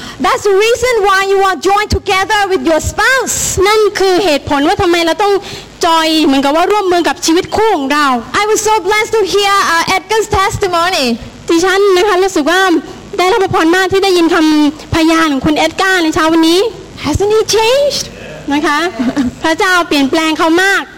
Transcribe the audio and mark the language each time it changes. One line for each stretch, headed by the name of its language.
English: That's the reason why you are joined together with your spouse
Thai: นั่นคือเหตุผลว่าทำไมเราต้องจอยเหมือนกับว่าร่วมมือกับชีวิตคู่ของเรา
English: I was so blessed to hear Edgar's testimony
Thai: ดิฉันนะคะรู้สึกว่าได้รับพรมากที่ได้ยินคำพยานของคุณเอ็ดการ์ในเช้าวันนี้
English: Hasn't he changed
Thai: นะคะพระเจ้าเปลี่ยนแปลงเขามาก